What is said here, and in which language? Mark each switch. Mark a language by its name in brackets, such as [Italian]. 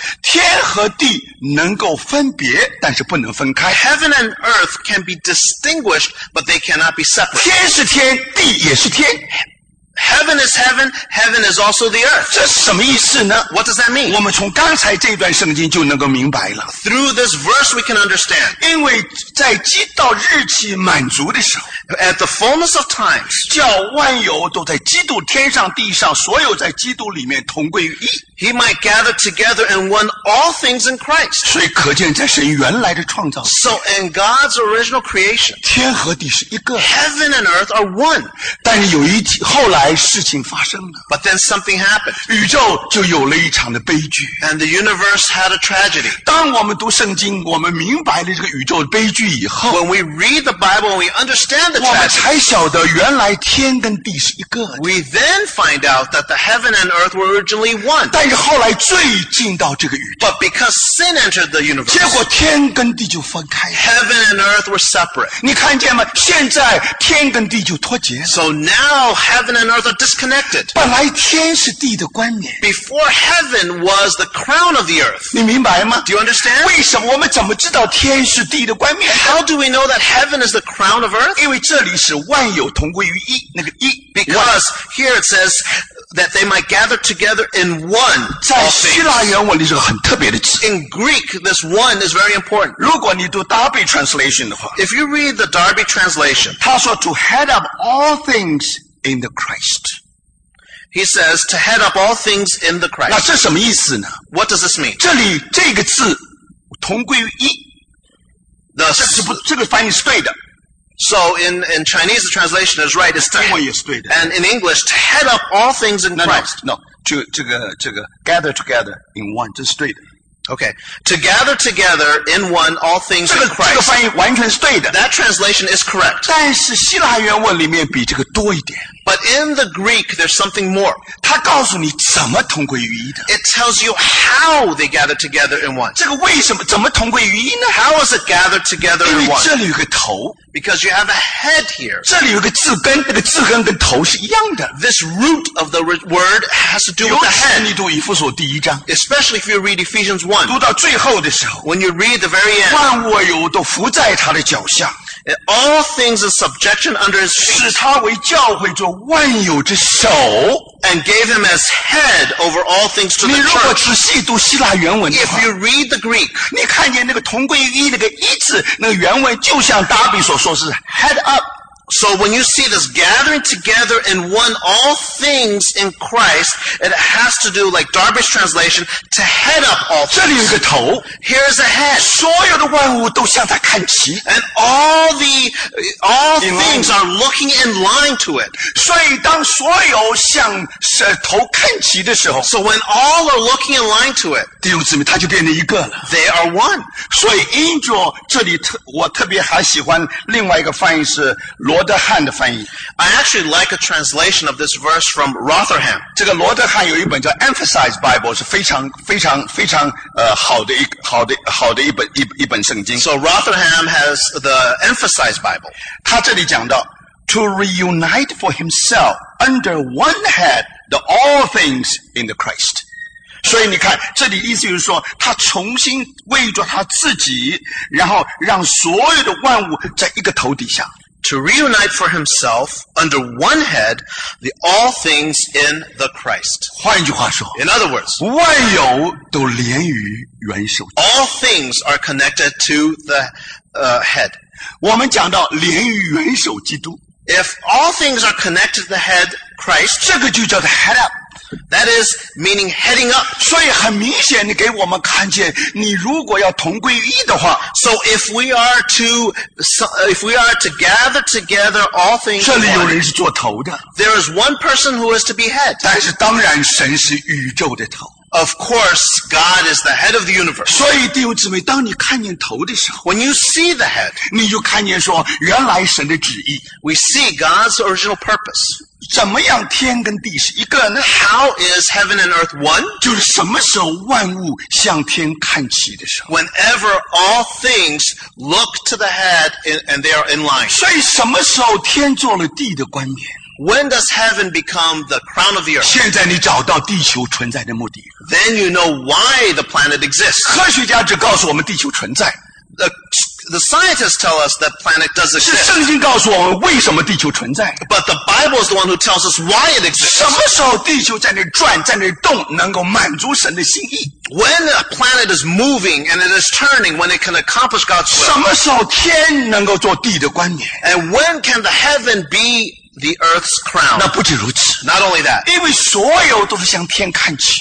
[Chinese] 天和地能够分别，但是不能分开。 [English] Heaven and earth can be distinguished, but they cannot be separate. [Chinese] 天是天，地也是天。 [English] Heaven is heaven, heaven is also the earth. [Chinese] 这什么意思呢？ [English] What does that mean? [Chinese] 我们从刚才这段圣经就能够明白了。 [English] Through this verse we can understand. [Chinese] 因为在基到日期满足的时候， [English] At the fullness of times, [Chinese] 叫万有都在基督天上地上所有在基督里面同归于一。 [English] He might gather together in one all things in Christ. [Chinese] 所以可见在神原来的创造。 [English] So in God's original creation, [Chinese] 天和地是一个。 [English] Heaven and earth are one. [Chinese] 但是有一天后来事情发生了。 [English] But then something happened. [Chinese] 宇宙就有了一场的悲剧。 [English] And the universe had a tragedy. [Chinese] 当我们读圣经我们明白了这个宇宙的悲剧以后。 [English] When we read the Bible and we understand the tragedy. [Chinese] 我们才晓得原来天跟地是一个。 [English] We then find out that the heaven and earth were originally one. [Chinese] 但是后来罪进到这个宇宙。 [English] But because sin entered the universe. [Chinese] 结果天跟地就分开了。 [English] Heaven and earth were separate. [Chinese] 你看见吗？现在天跟地就脱节了。 [English] So now heaven and earth are disconnected. [Chinese] 本来天是地的冠冕。 [English] Before heaven was the crown of the earth. [Chinese] 你明白吗？ [English] Do you understand? [Chinese] 为什么我们怎么知道天是地的冠冕？ [English] How do we know that heaven is the crown of earth? [Chinese] 因为这里是万有同归于一，那个一。 [English] Because here it says that they might gather together in one. [Chinese] 在希腊原文里是个很特别的字。 [English] In Greek, this one is very important. [Chinese] 如果你读 Darby translation 的话， [English] If you read the Darby translation, [Chinese] 他说 [English] to head up all things in the Christ. He says to head up all things in the Christ. [Chinese] 那这什么意思呢？ [English] What does this mean? [Chinese] 这里这个字同归于一。这个翻译是对的。 [English] So in Chinese, the translation is right. It's to, [Chinese] 也是对的。 [English] And in English, to head up all things in Christ. No, [Chinese] 这个 [English] gather together in one, [Chinese] 这是对的。 [English] Okay, to gather together in one all things in Christ. [Chinese] 这个翻译完全是对的。 [English] That translation is correct. [Chinese] 但是希腊原文里面比这个多一点。 [English] But in the Greek, there's something more. [Chinese] 它告诉你怎么同归于一的。 [English] It tells you how they gather together in one. [Chinese] 这个为什么怎么同归于一呢？ [English] How is it gathered together in one? [Chinese] 因为这里有个头。 [English] Because you have a head here. [Chinese] 这里有个字根，那个字根跟头是一样的。 [English] This root of the word has to do with the head. [Chinese] 你读以弗所第一章。 [English] Especially if you read Ephesians 1. [Chinese] 读到最后的时候。 [English] When you read the very end. [Chinese] 万物有都伏在他的脚下。 [English] All things in subjection under his feet. [Chinese] 使他为教会做万有之首。 [English] And gave him as head over all things to the church. [Chinese] 你如果仔细读希腊原文的话。 [English] If you read the Greek. [Chinese] 你看见那个同归于一那个一字那个原文就像达比所说是 [English] head up. So when you see this gathering together in one all things in Christ, it has to do like Darby's translation, to head up all things. [Chinese] 这里有一个头。 [English] Here's a head. [Chinese] 所有的万物都向他看齐。 [English] And all things are looking in line to it. [Chinese] 所以当所有向头看齐的时候。 [English] So when all are looking in line to it. [Chinese] 弟兄姊妹他就变成一个了。 [English] They are one. [Chinese] 所以 angel, 这里我特别还喜欢另外一个翻译是罗德汉的翻译。 [English] I actually like a translation of this verse from Rotherham. [Chinese] 这个罗德汉有一本叫 Emphasize Bible, 是非常非常非常好的一本圣经。 [English] So Rotherham has the Emphasize Bible. [Chinese] 他这里讲到 [English] to reunite for himself under one head the all things in the Christ. [Chinese] 所以你看这里意思就是说他重新为着他自己然后让所有的万物在一个头底下。 [English] To reunite for himself under one head the all things in the Christ. [Chinese] 换句话说 [English] In other words, [Chinese] 万有都连于元首。 [English] All things are connected to the head. [Chinese] 我们讲到连于元首基督。 [English] If all things are connected to the head Christ, [Chinese] 这个就叫做 [English] head up. That is meaning heading up. [Chinese] 所以很明显你给我们看见你如果要同归于一的话。 [English] So if we are to gather together all things. [Chinese] 这里有人是做头的。 [English] There is one person who is to be head. [Chinese] 但是当然神是宇宙的头。 [English] Of course, God is the head of the universe. [Chinese] 所以弟兄姊妹，当你看见头的时候， [English] When you see the head, [Chinese] 你就看见说原来神的旨意。 [English] We see God's original purpose. [Chinese] 怎么样天跟地是一个呢？ [English] How is heaven and earth one? [Chinese] 就是什么时候万物向天看齐的时候。 [English] Whenever all things look to the head and they are in line. [Chinese] 所以什么时候天做了地的冠冕？ [English] When does heaven become the crown of the earth? [Chinese] 现在你找到地球存在的目的。 [English] Then you know why the planet exists. [Chinese] 科学家只告诉我们地球存在。 [English] The scientists tell us that planet does exist. [Chinese] 是圣经告诉我们为什么地球存在。 [English] But the Bible is the one who tells us why it exists. [Chinese] 什么时候地球在那转，在那动，能够满足神的心意？ [English] When a planet is moving and it is turning, when it can accomplish God's will. [Chinese] 什么时候天能够做地的冠冕？ [English] And when can the heaven be... The Earth's crown. [Chinese] 那不止如此。 [English] Not only that. [Chinese] 因为所有都是向天看齐。